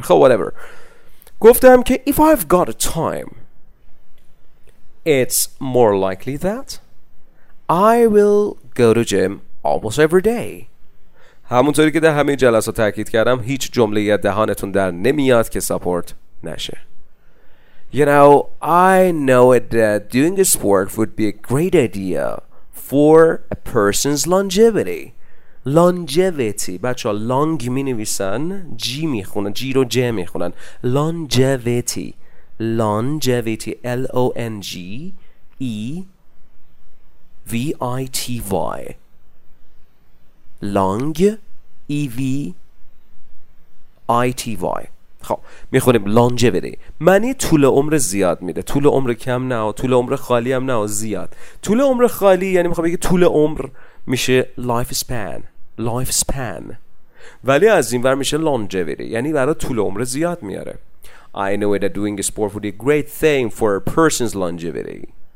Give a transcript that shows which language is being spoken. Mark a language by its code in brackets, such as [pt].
[fa] خب [en] whatever، [fa] گفتم که [en] if I've got a time it's more likely that I will go to gym almost every day. [fa] همونطوری که در همه جلسات تاکید کردم هیچ جمله ی دهانتون در نمیاد که سپورت نشه. [en] You know I know that doing a sport would be a great idea for a person's longevity. [fa] Longevity بچه ها long می نویسن، G می خونن، G رو J می خونن. [en] Longevity LONGEVITY long EVITY. [fa] خب میخونیم longevity معنی طول عمر زیاد میده، طول عمر کم نه و طول عمر خالی هم نه و زیاد. طول عمر خالی یعنی میخوام بگم طول عمر میشه life span ولی از این ور میشه longevity، یعنی برای طول عمر زیاد میاره. [en] I know that doing sport would be a great thing for a person's longevity.